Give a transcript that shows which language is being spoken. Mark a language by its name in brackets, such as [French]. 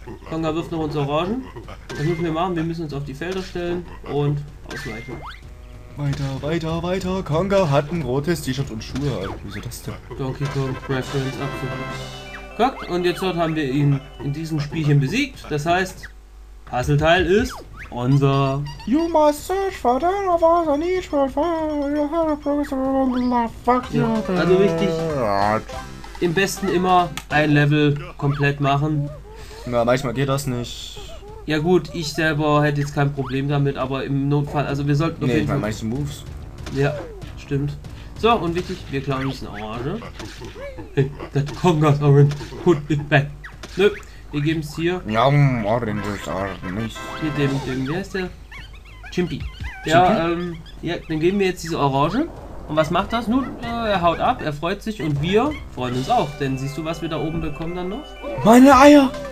[German] Konga wirft noch unsere Orangen. Das müssen wir machen, wir müssen uns auf die Felder stellen und ausweichen. Weiter, weiter, weiter. Konga hat ein rotes T-Shirt und Schuhe. Alter. Wieso das denn? Donkey Kong Reference abgehört. Guck, und jetzt dort haben wir ihn in diesem Spielchen besiegt. Das heißt, Puzzleteil ist unser. [English] You must search for the one I need to find. You have a progress on the left. Fuck you. [German] Also wichtig. Im besten immer ein Level komplett machen. Na, manchmal geht das nicht. Ja gut, ich selber hätte jetzt kein Problem damit, aber im Notfall, also wir sollten... Nee, ich meine meistens Moves. Ja, stimmt. So, und wichtig, wir klauen uns eine Orange. [English] Hey, that Conga's Orange, put it back. [German] Nö, wir geben es hier. Ja, Orange ist auch nicht. Hier, dem, wie heißt der? Chimpy. Chimpy? Ja, ja, dann geben wir jetzt diese Orange. Und was macht das? Nun, er haut ab, er freut sich und wir freuen uns auch. Denn siehst du, was wir da oben bekommen dann noch? Meine Eier!